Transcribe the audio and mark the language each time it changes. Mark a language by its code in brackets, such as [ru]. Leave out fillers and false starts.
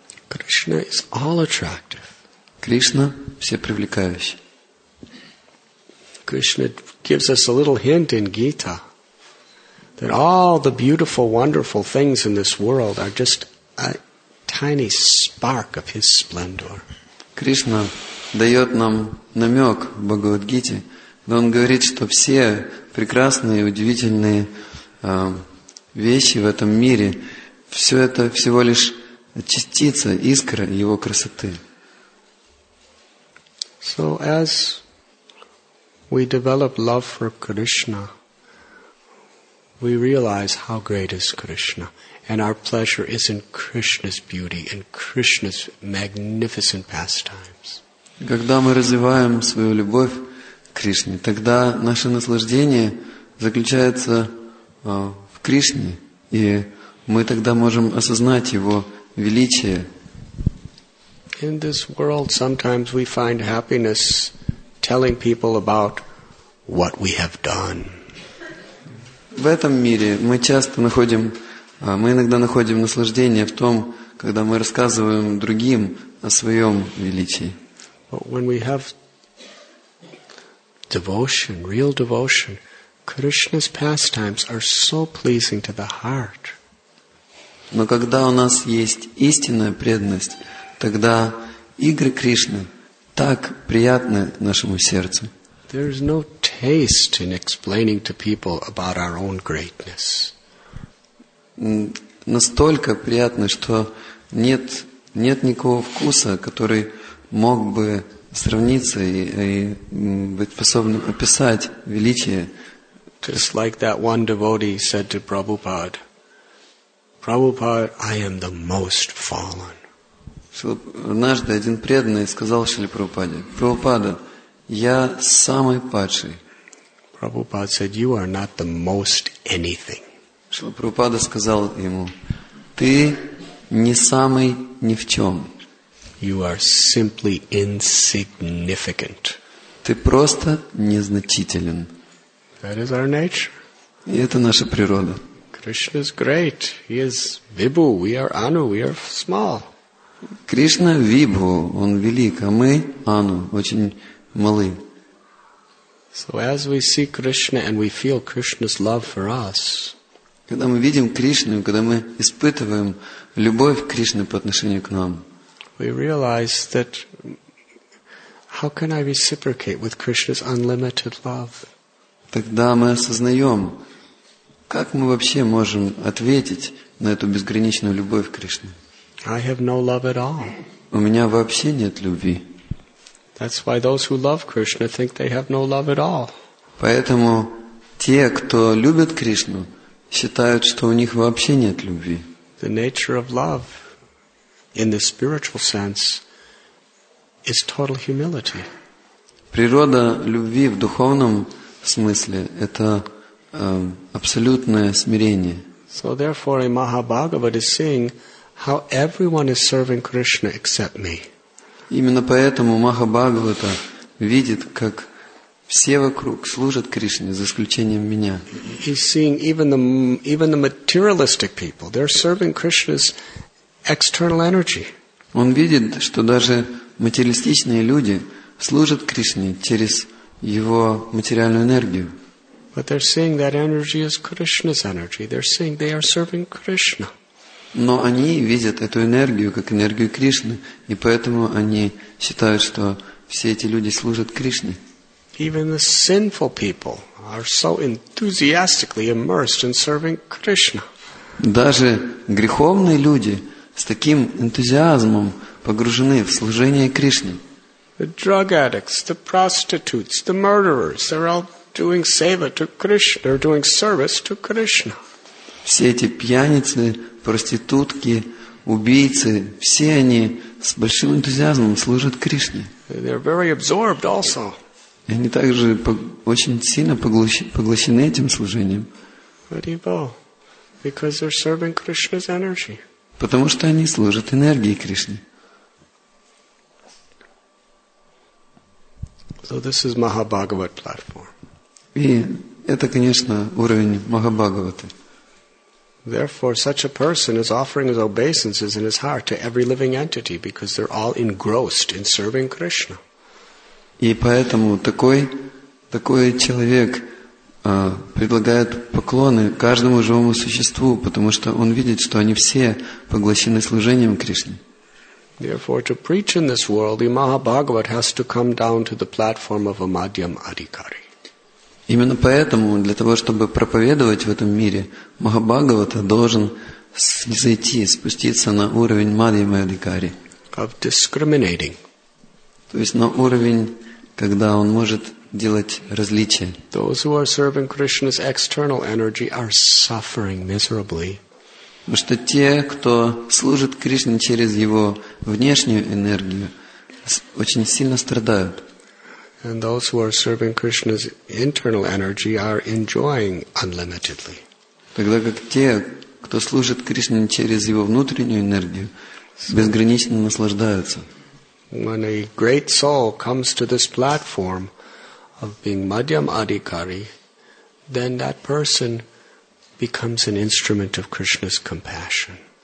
[en] Krishna is all attractive. [ru] Кришна всепривлекающий. [en] Krishna gives us a little hint in Gita that all the beautiful, wonderful things in this world are just a tiny spark of His splendor. [ru] Кришна дает нам намек в Бхагавад-гите, но Он говорит, что все прекрасные, удивительные вещи в этом мире, все это всего лишь частица, искра Его красоты. [en] So as we develop love for Krishna, we realize how great is Krishna, and our pleasure is in Krishna's beauty and Krishna's magnificent pastimes. [ru] Когда мы развиваем свою любовь к Кришне, тогда наше наслаждение заключается в Кришне, и мы тогда можем осознать Его величие. [en] In this world, sometimes we find happiness telling people about what we have done. [ru] В этом мире мы часто находим, мы иногда находим наслаждение в том, когда мы рассказываем другим о своем величии. [en] But when we have devotion, real devotion, Krishna's pastimes are so pleasing to the heart. [ru] Но когда у нас есть истинная преданность, тогда игры Кришны так приятны нашему сердцу. [en] There is no taste in explaining to people about our own greatness. [ru] Настолько приятно, что нет никакого вкуса, который мог бы сравниться и быть способным описать величие. [en] Just like that one devotee said to Prabhupada, Prabhupada, I am the most fallen. [ru] Однажды один преданный сказал Шриле Прабхупаде: «Прабхупада, я самый падший». [en] Prabhupada said, "You are not the most anything." [ru] Шрила Прабхупада сказал ему: "Ты не самый ни в чем. [en] You are simply insignificant." [ru] Ты просто незначителен. [en] That is our nature. [ru] И это наша природа. [en] Krishna is great. He is Vibhu. We are Anu. We are small. [ru] Кришна Вибху, он велик, а мы Ану, очень малы. [en] So as we see Krishna and we feel Krishna's love for us, [ru] когда мы видим Кришну, когда мы испытываем любовь Кришны по отношению к нам, [en] we realize that how can I reciprocate with Krishna's unlimited love? [ru] Тогда мы осознаем, как мы вообще можем ответить на эту безграничную любовь Кришны. [en] I have no love at all. [ru] У меня вообще нет любви. [en] That's why those who love Krishna think they have no love at all. [ru] Поэтому те, кто любят Кришну, считают, что у них вообще нет любви. [en] The nature of love in the spiritual sense is total humility. [ru] Природа любви в духовном смысле – это абсолютное смирение. [en] So therefore, in Mahabhagavata is seeing how everyone is serving Krishna except me. [ru] Именно поэтому Махабхагавата видит, как все вокруг служат Кришне, за исключением меня. [en] He's seeing even the materialistic people, they're serving Krishna's external energy. [ru] Он видит, что даже материалистичные люди служат Кришне через его материальную энергию. [en] But they're seeing that energy is Krishna's energy. They're seeing they are serving Krishna. [ru] Но они видят эту энергию как энергию Кришны, и поэтому они считают, что все эти люди служат Кришне. [en] Even the sinful people are so enthusiastically immersed in serving Krishna. [ru] Даже греховные люди с таким энтузиазмом погружены в служение Кришне. [en] The drug addicts, the prostitutes, the murderers, they're all doing seva to Krishna, they're doing service to Krishna. [ru] Все эти пьяницы, проститутки, убийцы, все они с большим энтузиазмом служат Кришне. [en] They're very absorbed also. [ru] И они также очень сильно поглощены этим служением. [en] Because they're serving Krishna's energy. [ru] Потому что они служат энергии Кришне. [en] So this is Mahabhagavata platform. [ru] И это, конечно, уровень Махабхагаваты. [en] Therefore, such a person is offering his obeisances in his heart to every living entity because they're all engrossed in serving Krishna. [ru] И поэтому такой человек предлагает поклоны каждому живому существу, потому что он видит, что они все поглощены служением Кришне. [en] Therefore, to preach in this world, the Mahabhagavat has to come down to the platform of a Madhyam Adhikari. [ru] Именно поэтому, для того, чтобы проповедовать в этом мире, Махабхагавата должен зайти, спуститься на уровень Мадхьяма Адхикари. [en] Of discriminating. [ru] То есть на уровень, когда он может делать различия. [en] Those who are serving Krishna's external energy are suffering miserably. [ru] Потому что те, кто служит Кришне через его внешнюю энергию, очень сильно страдают. [en] And those who are serving Krishna's internal energy are enjoying unlimitedly. [ru] Тогда как те, кто служит Кришне через его внутреннюю энергию, безгранично наслаждаются. [en] When a great soul comes to this platform of being Madhyam Adhikari, then that person becomes an instrument of Krishna's compassion.